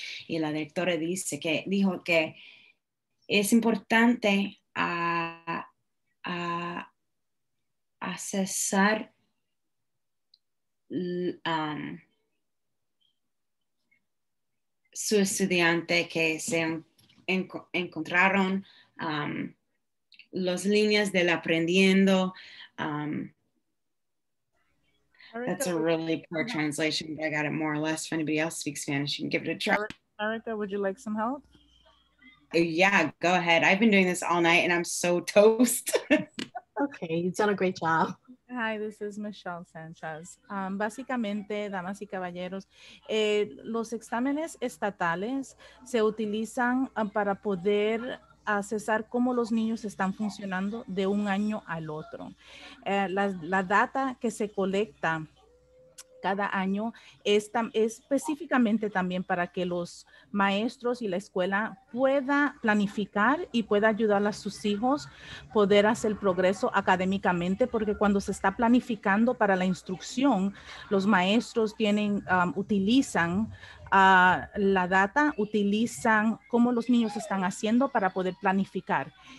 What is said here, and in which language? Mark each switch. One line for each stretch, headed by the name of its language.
Spanish: Y la directora dijo que es importante a cesar su estudiante que se encontraron las líneas del aprendiendo.
English: That's a really poor translation, but I got it more or less. If anybody else speaks Spanish, you can give it a try. Erica, would you like some help? Yeah, go ahead. I've been doing this all night and I'm so toast. Okay, you've done a great job. Hi, this is Michelle Sanchez.
Spanish: Básicamente, damas y caballeros, los exámenes estatales se utilizan para poder accesar cómo los niños están funcionando de un año al otro. La data que se colecta cada año es específicamente también para que los maestros y la escuela pueda planificar y pueda ayudar a sus hijos poder hacer progreso académicamente, porque cuando se está planificando para la instrucción, los maestros utilizan la data, utilizan cómo los niños están haciendo para poder planificar.